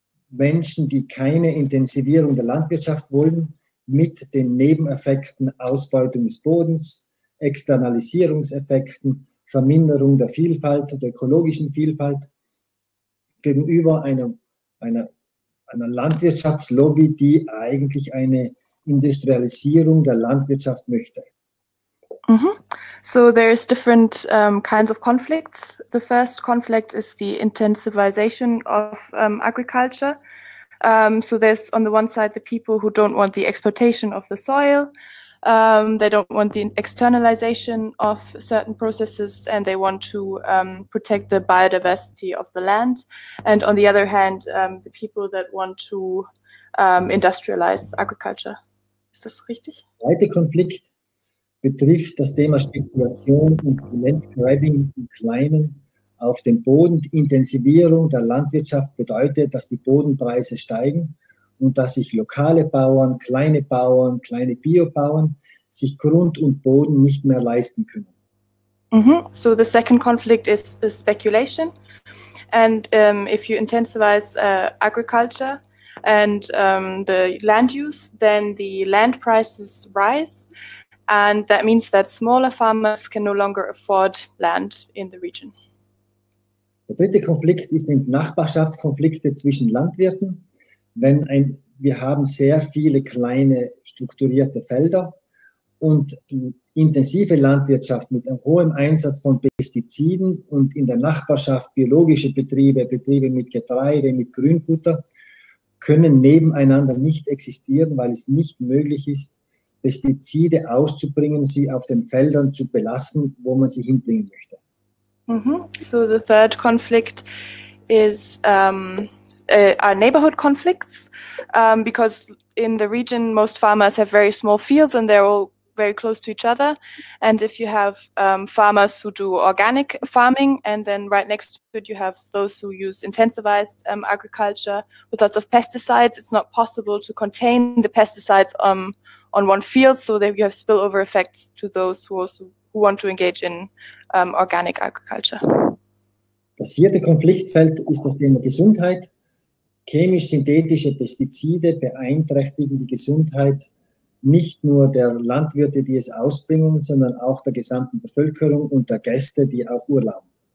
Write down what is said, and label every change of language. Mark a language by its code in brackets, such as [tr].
[de] Menschen, die keine Intensivierung der Landwirtschaft wollen, mit den Nebeneffekten Ausbeutung des Bodens, Externalisierungseffekten, Verminderung der Vielfalt, der ökologischen Vielfalt, gegenüber einer Landwirtschaftslobby, die eigentlich eine Industrialisierung der Landwirtschaft möchte. [en] Mm-hmm. So there's different kinds of conflicts. The first conflict is the intensivization of agriculture. So there's on the one side the people who don't want the exploitation of the soil, they don't want the externalization of certain processes, and they want to protect the biodiversity of the land. And on the other hand, the people that want to industrialize agriculture. [de] Ist das richtig? Zweiter Konflikt betrifft das Thema Spekulation und Landgrabbing im Kleinen auf dem Boden. Die Intensivierung der Landwirtschaft bedeutet, dass die Bodenpreise steigen und dass sich lokale Bauern, kleine Biobauern sich Grund und Boden nicht mehr leisten können. [en] Mm-hmm. So the second conflict is speculation. And if you intensivize agriculture and the land use, then the land prices rise. And that means that smaller farmers can no longer afford land in the region. [de] Der dritte Konflikt ist in Nachbarschaftskonflikte zwischen Landwirten. Wir haben sehr viele kleine strukturierte Felder und intensive Landwirtschaft mit einem hohen Einsatz von Pestiziden und in der Nachbarschaft biologische Betriebe, Betriebe mit Getreide, mit Grünfutter, können nebeneinander nicht existieren, weil es nicht möglich ist, Pestizide auszubringen, sie auf den Feldern zu belassen, wo man sie hinbringen möchte. Mm-hmm. [en] So the third conflict is our neighborhood conflicts, because in the region most farmers have very small fields and they're all very close to each other. And if you have farmers who do organic farming and then right next to it you have those who use intensivized agriculture with lots of pesticides, it's not possible to contain the pesticides on one field, so that you have spillover effects to those who also who want to engage in organic agriculture. [de] Das vierte Konfliktfeld ist das Thema Gesundheit. Chemisch-synthetische Pestizide beeinträchtigen die Gesundheit nicht nur der Landwirte, die es ausbringen, sondern auch der gesamten Bevölkerung und der Gäste, die auch urlauben.